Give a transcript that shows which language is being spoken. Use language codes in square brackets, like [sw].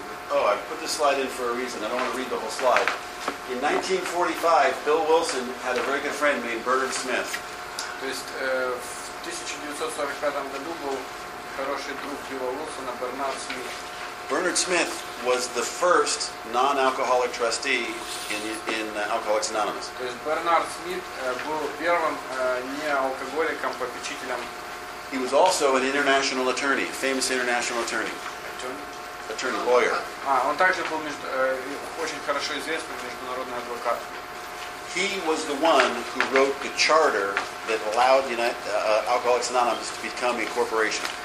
[en] Oh, I put this slide in for a reason. I don't want to read the whole slide. In 1945, Bill Wilson had a very good friend named Bernard Smith. [ru] То есть в 1945 году был хороший друг Билла Уилсона, Бернард Смит. [en] Bernard Smith was the first non-alcoholic trustee in Alcoholics Anonymous. [ru] То есть Бернард Смит был первым неалкоголиком попечителем. [en] He was also an international attorney, famous international attorney. Attorney, attorney lawyer. [ru] Он также был очень хорошо известный международный адвокат. [en] He was the one who wrote the charter that allowed Alcoholics Anonymous to become a corporation.